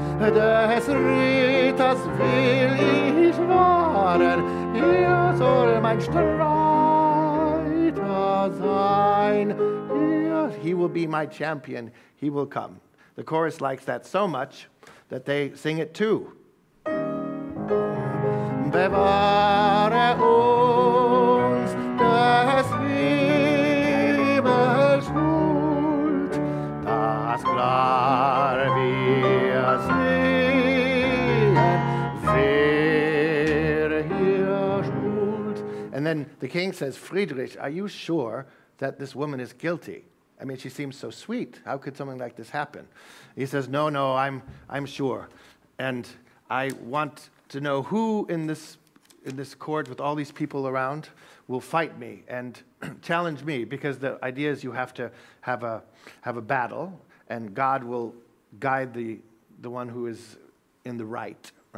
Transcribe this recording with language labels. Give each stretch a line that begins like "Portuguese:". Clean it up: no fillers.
German: Des Ritters will ich wahren, er soll mein Streiter sein.
English: He will be my champion, he will come. The chorus likes that so much that they sing it too.
German: Bewahre uns des Himmels Huld, das klar wir sehen, wer hier schuld.
English: And then the king says, Friedrich, are you sure that this woman is guilty? I mean, she seems so sweet. How could something like this happen? He says, no, I'm sure. And I want to know who in this court with all these people around will fight me and challenge me, because the idea is you have to have a battle and God will guide the one who is in the right?